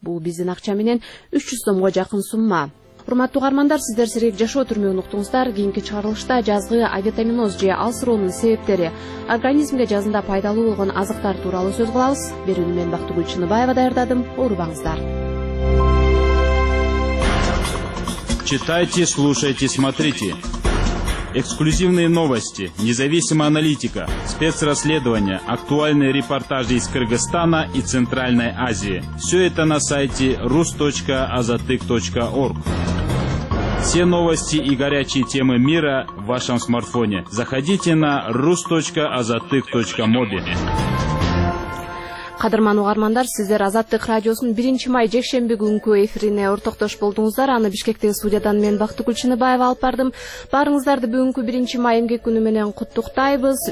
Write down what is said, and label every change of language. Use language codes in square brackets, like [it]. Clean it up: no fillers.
[ky] Бул биздин акча менен 300 сомго жакын сумма. Урматтуу каармандар, сиздер сирек жашоо түрмөгүн уктуңуздар. Кийинки чыгарылышта жазгы авитаминоз же алсыроонун себептери, организмге жазында пайдалуу болгон азыктар тууралуу сөз кылабыз. Берүүнү мен Бактыгүл Чыныбаева даярдадым. Оорубаңыздар. [ru] Читайте, слушайте, смотрите. Эксклюзивные новости, независимая аналитика, спецрасследования, актуальные репортажи из Кыргызстана и Центральной Азии. Все это на сайте rus.azatyk.org. Все новости и горячие темы мира в вашем смартфоне. Заходите на rus.azatyk.mobi. [ky] Кадырман угармандар, сиздер Азаттык радиосунун 1-май жекшемби күнкү эфирине ортоктош болдуңуздар. Аны Бишкектеги студиядан мен Бактыгүл Чыныбаева алып бардым. Баарыңыздарды бүгүнкү 1-май эмгек күнү менен куттуктайбыз.